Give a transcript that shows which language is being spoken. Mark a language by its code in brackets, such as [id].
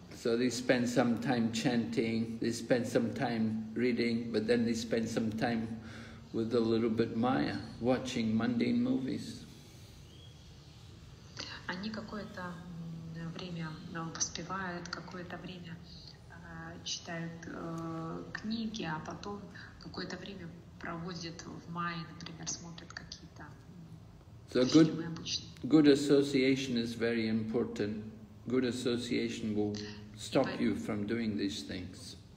[en] So they spend some time chanting, they spend some time reading, but then they spend some time with a little bit Maya, watching mundane movies. [ru] Они какое-то время поспевают, какое-то время читают книги, а потом какое-то время проводят в Майе, например, смотрят какие-то фильмы обычные. [en] Good association is very important. Good association will stop you from doing these things.